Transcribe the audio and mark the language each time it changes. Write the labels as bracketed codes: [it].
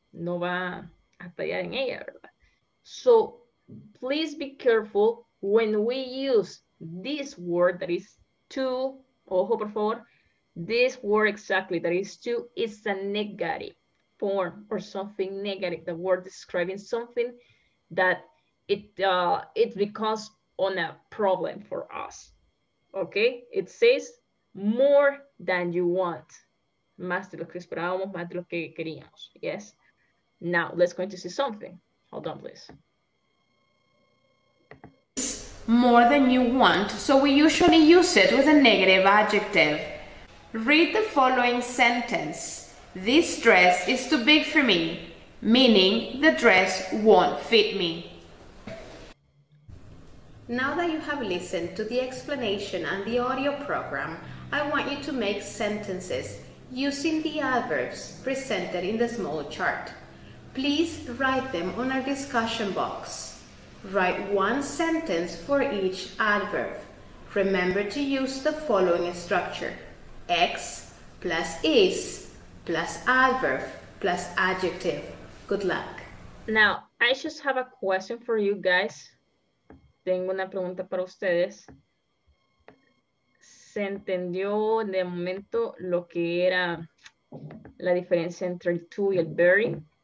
[es] No va a tallar en ella, ¿verdad? [en] So please be careful when we use this word that is too, [es] ojo por favor, [en] this word exactly that is too is a negative form or something negative, the word describing something that it becomes on a problem for us, okay? It says more than you want. [es] Más de lo que esperábamos, más de lo que queríamos. [en] Yes. Now, let's go to see something. Hold on, please. More than you want, so we usually use it with a negative adjective. Read the following sentence. This dress is too big for me, meaning the dress won't fit me. Now that you have listened to the explanation and the audio program, I want you to make sentences using the adverbs presented in the small chart. Please write them on our discussion box. Write one sentence for each adverb. Remember to use the following structure: X plus is plus adverb plus adjective. Good luck. Now, I just have a question for you guys. [es] Tengo una pregunta para ustedes. ¿Se entendió de momento lo que era la diferencia entre el to y el very?